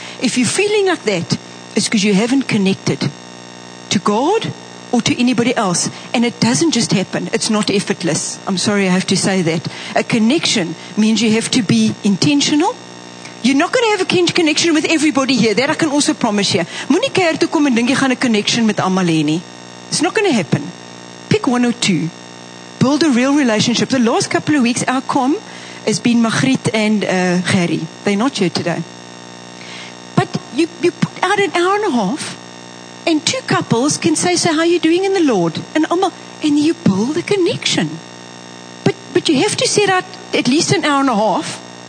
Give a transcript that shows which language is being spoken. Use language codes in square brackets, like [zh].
[en] If you're feeling like that, it's because you haven't connected to God or to anybody else. And it doesn't just happen. It's not effortless. I'm sorry I have to say that. A connection means you have to be intentional. You're not going to have a connection with everybody here. That I can also promise you. [af] Moenie kerk toe kom en dink jy gaan 'n connection met almal hê nie. [en] It's not going to happen. Pick one or two. Build a real relationship. The last couple of weeks, our com has been Magriet and Gerry. They're not here today. But you put out an hour and a half, and two couples can say, so how are you doing in the Lord? And you build a connection. But you have to set out at least an hour and a half.